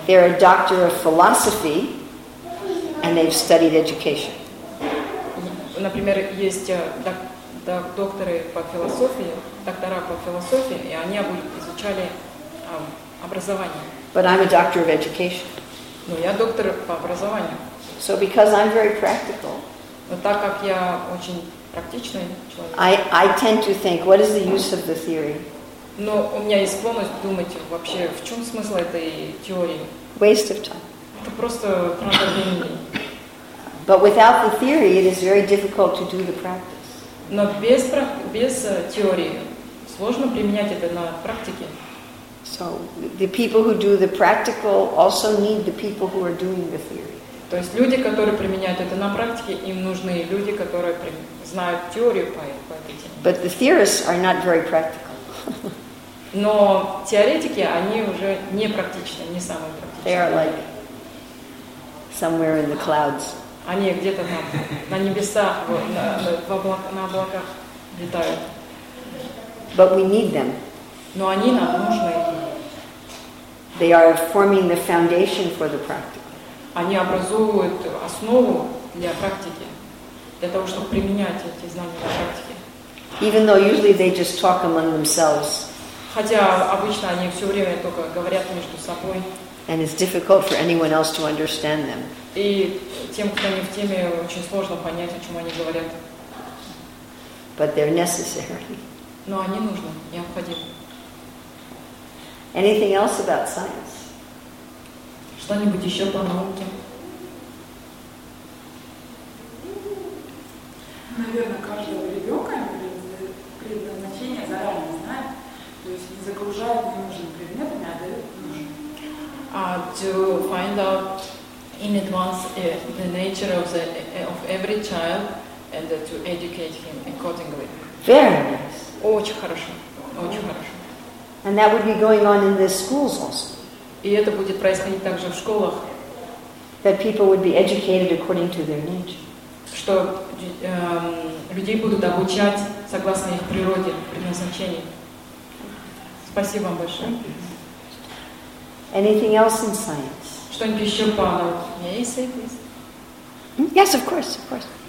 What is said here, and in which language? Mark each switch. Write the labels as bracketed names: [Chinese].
[English] They're a doctor of philosophy, and they've studied education. [Russian] Например, есть докторы по философии, доктора по философии, и они изучали образование. [English] But I'm a doctor of education. [Russian] Но я доктор по образованию. [English] So because I'm very practical, [Russian] но так как я очень практичный человек, [English] I tend to think, what is the use of the theory? [Russian] Но у меня есть склонность думать вообще, в чем смысл этой теории? [English] Waste of time. [Russian] Это просто трата времени. [English] But without the theory, it is very difficult to do the practice. [Russian] Но без теории сложно применять это на практике. [English] So the people who do the practical also need the people who are doing the theory. [Russian] То есть люди, которые применяют это на практике, им нужны люди, которые знают теорию по этой теме. [English] But the theorists are not very practical. [Russian] Но теоретики, они уже не практичны, не самые практичные. [English] They are like somewhere in the clouds. [Russian] Они где-то там на небесах, на облаках летают. [English] But we need them. [Russian] Но они нам нужны. [English] They are forming the foundation for the practice. [Russian] Они образуют основу для практики, для того, чтобы применять эти знания на практике. [English] Even though usually they just talk among themselves. [Russian] Хотя обычно они все время только говорят между собой. [English] And it's difficult for anyone else to understand them. [Russian] И тем, кто не в теме, очень сложно понять, о чем они говорят. [English] But they're necessary. [Russian] Но они нужны, необходимы. [English] Anything else about science? [Russian] Что-нибудь еще по науке? Наверное, каждого ребенка предназначение заранее знает. То есть не загружает ненужными предметами, а дает нужные. [English] To find out in advance the nature of the of every child and to educate him accordingly. Very nice. [Russian] Очень хорошо. Очень хорошо. [English] And that would be going on in the schools also. [Russian] И это будет происходить также в школах. [English] That people would be educated according to their nature. [Russian] Что людей будут обучать согласно их природе, предназначению. Спасибо вам большое. [English] Anything else in science? [Russian] Что-нибудь еще по науке? [English] Yes, of course, of course.